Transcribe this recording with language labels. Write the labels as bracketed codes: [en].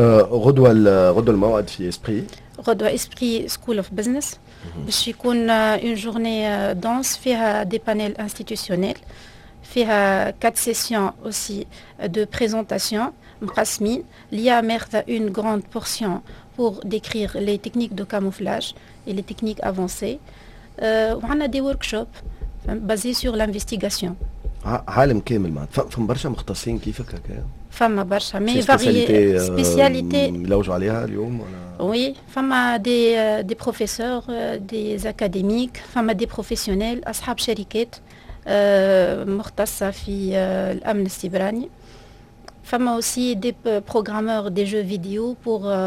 [ar] غدوه الموعد في اسبري سكول اوف بزنس باش يكون اون جورني دانس فيها دي بانيل انستيتيوشنيل فيها 4 سيسيون [fr] aussi de présentation [ar] مقسمين ليا ماخذه اون غروند بورسيون [fr] pour décrire les techniques de camouflage et les techniques avancées. On a des workshops basés sur l'investigation. [ar] عالم كامل معناتها فما برشا مختصين كيفك هكا فما برشا مي فاريي سبيسياليتي يلوجوا عليها اليوم وي فما دي بروفيسور دي اكاديميك فما دي بروفيسيونيل اصحاب شركات مختصه في الامن السيبراني فما [fr] aussi [ar] دي بروغرامور دي جو فيديو بور